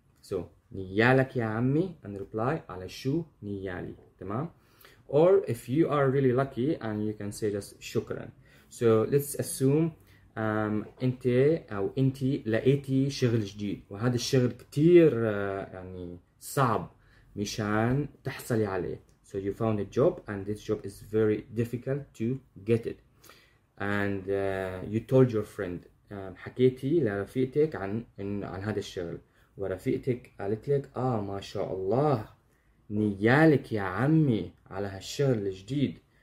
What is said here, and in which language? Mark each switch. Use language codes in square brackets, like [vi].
[ar] So نيالك يا عمي [en] and the reply [ar] على شو نيالي. تمام. [en] Or if you are really lucky and you can say just شكرا. So let's assume [ar] انت او انت لقيتي شغل جديد وهذا الشغل كتير صعب مشان تحصلي عليه. [en] So you found a job and this job is very difficult to get it. And you told your friend, [ar] حكيتي لرفيقتك عن هذا الشغل ورفيقتك قالت لك ما شاء الله نيالك يا عمي على هالشغل الجديد.